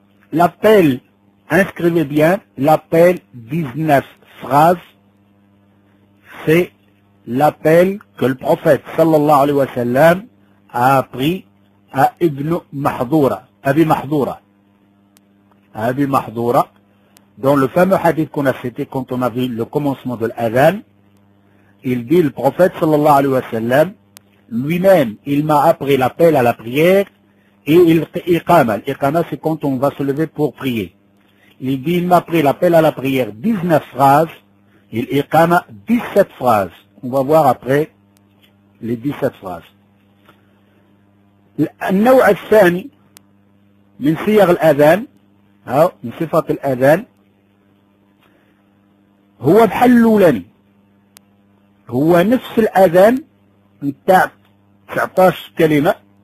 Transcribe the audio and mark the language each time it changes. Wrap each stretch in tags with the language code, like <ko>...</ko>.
<fr>l'appel inscrivez bien l'appel 19 phrases c'est l'appel que le prophète</fr> <ar>صلى الله عليه وسلم</ar> <fr>a appris à ابن محظورة أبي محظورة أبي محظورة Dans le fameux hadith qu'on a cité quand on a vu le commencement de l'adhan, il dit le prophète sallallahu alayhi wa sallam, lui-même, il m'a appris l'appel à la prière et il iqama. L'iqama, c'est quand on va se lever pour prier. Il dit, il m'a appris l'appel à la prière 19 phrases, il iqama 17 phrases. On va voir après les 17 phrases.</fr> <ar>النوع الثاني من صيغ الأذان, من صفة الأذان, هو بحال الاولاني هو نفس الاذان نتاع 19 كلمه</ar>